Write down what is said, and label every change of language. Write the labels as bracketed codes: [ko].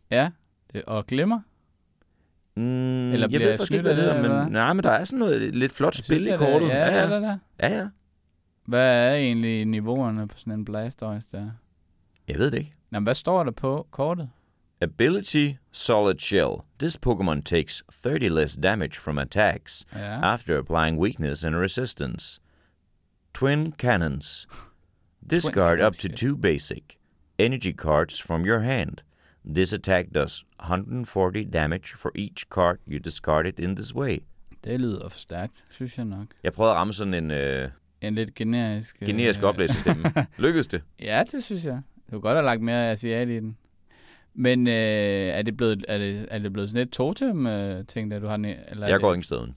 [da] Ja, og glimmer? Eller jeg ved faktisk ikke, hvad det hedder, men der er sådan noget lidt flot spil i kortet. Ja, det er der. Ja, ja. Hvad er egentlig niveauerne på sådan en Blastoise der? Jeg ved det ikke. Jamen, hvad står der på kortet? [en] Ability, Solid Shell. This Pokemon takes 30 less damage from attacks after applying weakness and resistance. Twin Cannons. Discard up to 2 basic energy cards from your hand. This attack does 140 damage for each card you discarded in this way. [da] Det lyder for stærkt, synes jeg nok. Jeg prøvede at ramme sådan en... En lidt generisk... Generisk oplæsesystem. Lykkedes det? Ja, det synes jeg. Du kunne godt have lagt mere asiat i den. Men er det blevet sådan et totem-ting, der du har... Jeg går ingen steder.